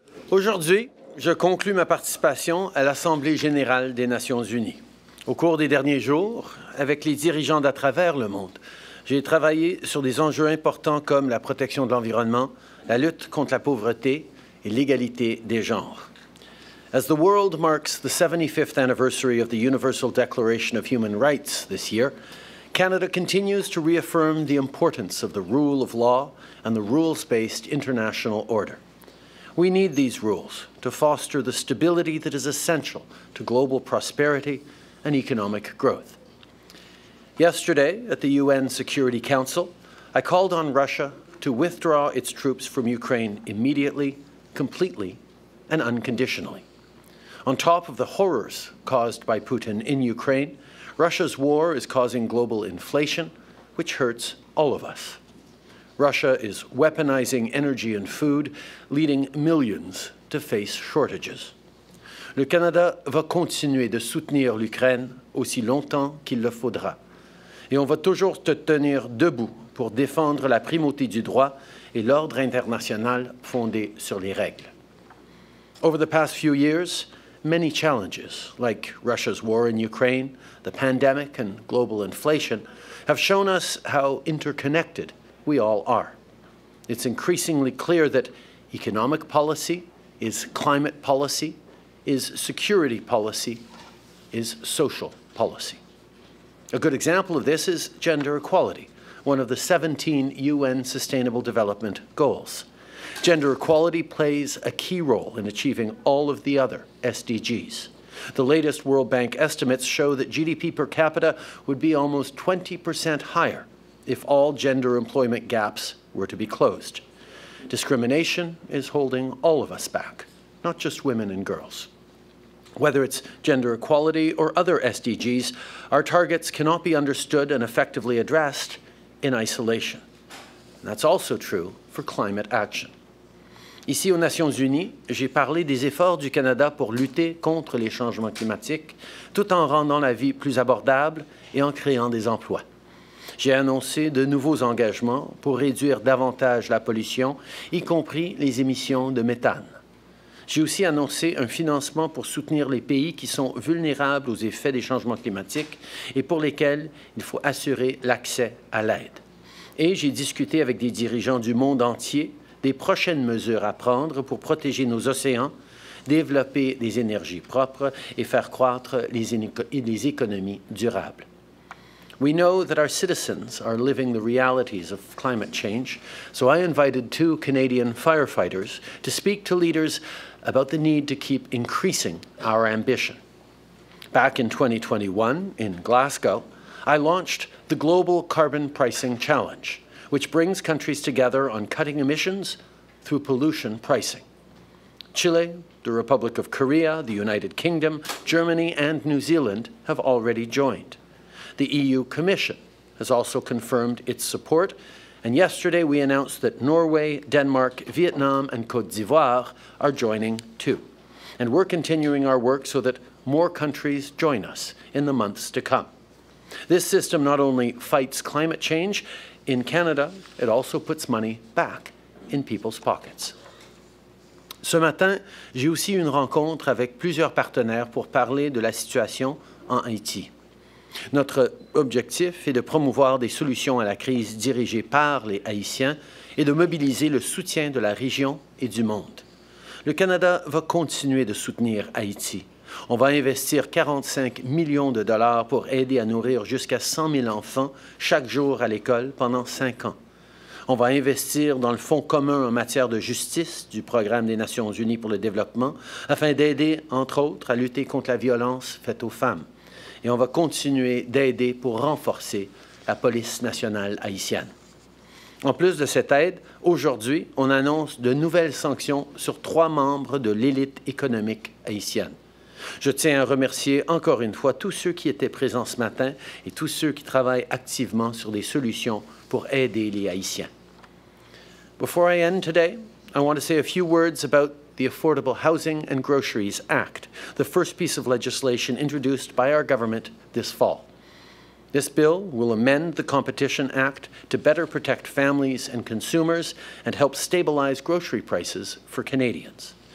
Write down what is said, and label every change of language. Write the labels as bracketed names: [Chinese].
[French] Aujourd'hui, je conclue ma participation à l'Assemblée générale des Nations unies. Au cours des derniers jours, avec les dirigeants d'à travers le monde, j'ai travaillé sur des enjeux importants comme la protection de l'environnement, la lutte contre la pauvreté et l'égalité des genres. [English] As the world marks the 75th anniversary of the Universal Declaration of Human Rights this year, Canada continues to reaffirm the importance of the rule of law and the rules-based international order. We need these rules to foster the stability that is essential to global prosperity and economic growth. Yesterday, at the UN Security Council, I called on Russia to withdraw its troops from Ukraine immediately, completely, and unconditionally. On top of the horrors caused by Putin in Ukraine, Russia's war is causing global inflation, which hurts all of us. Russia is weaponizing energy and food, leading millions to face shortages. [French] Le Canada va continuer de soutenir l'Ukraine aussi longtemps qu'il le faudra. Et on va toujours se tenir debout pour défendre la primauté du droit et l'ordre international fondé sur les règles. [English] Over the past few years, many challenges, like Russia's war in Ukraine, the pandemic, and global inflation, have shown us how interconnected we all are. It's increasingly clear that economic policy is climate policy, is security policy, is social policy. A good example of this is gender equality, one of the 17 UN Sustainable Development Goals. Gender equality plays a key role in achieving all of the other SDGs. The latest World Bank estimates show that GDP per capita would be almost 20% higher if all gender employment gaps were to be closed. Discrimination is holding all of us back, not just women and girls. Whether it's gender equality or other SDGs, our targets cannot be understood and effectively addressed in isolation. And that's also true for climate action. [French] Ici, aux Nations unies, j'ai parlé des efforts du Canada pour lutter contre les changements climatiques, tout en rendant la vie plus abordable et en créant des emplois. J'ai annoncé de nouveaux engagements pour réduire davantage la pollution, y compris les émissions de méthane. J'ai aussi annoncé un financement pour soutenir les pays qui sont vulnérables aux effets des changements climatiques et pour lesquels il faut assurer l'accès à l'aide. Et j'ai discuté avec des dirigeants du monde entier des prochaines mesures à prendre pour protéger nos océans, développer des énergies propres et faire croître les économies durables. [English] We know that our citizens are living the realities of climate change, so I invited two Canadian firefighters to speak to leaders about the need to keep increasing our ambition. Back in 2021, in Glasgow, I launched the Global Carbon Pricing Challenge, which brings countries together on cutting emissions through pollution pricing. Chile, the Republic of Korea, the United Kingdom, Germany, and New Zealand have already joined. The EU Commission has also confirmed its support, and yesterday we announced that Norway, Denmark, Vietnam, and Côte d'Ivoire are joining too. And we're continuing our work so that more countries join us in the months to come. This system not only fights climate change, in Canada, it also puts money back in people's pockets. [French] Ce matin, j'ai aussi une rencontre avec plusieurs partenaires pour parler de la situation en Haïti. Notre objectif est de promouvoir des solutions à la crise dirigée par les Haïtiens et de mobiliser le soutien de la région et du monde. Le Canada va continuer de soutenir Haïti. On va investir 45 millions de dollars pour aider à nourrir jusqu'à 100 000 enfants chaque jour à l'école pendant 5 ans. On va investir dans le Fonds commun en matière de justice du Programme des Nations unies pour le développement afin d'aider, entre autres, à lutter contre la violence faite aux femmes. Et on va continuer d'aider pour renforcer la police nationale haïtienne. En plus de cette aide, aujourd'hui, on annonce de nouvelles sanctions sur 3 membres de l'élite économique haïtienne. Je tiens à remercier encore une fois tous ceux qui étaient présents ce matin et tous ceux qui travaillent activement sur des solutions pour aider les Haïtiens. [English] Before I end today, I want to say a few words about the Affordable Housing and Groceries Act, the first piece of legislation introduced by our government this fall. This bill will amend the Competition Act to better protect families and consumers and help stabilize grocery prices for Canadians.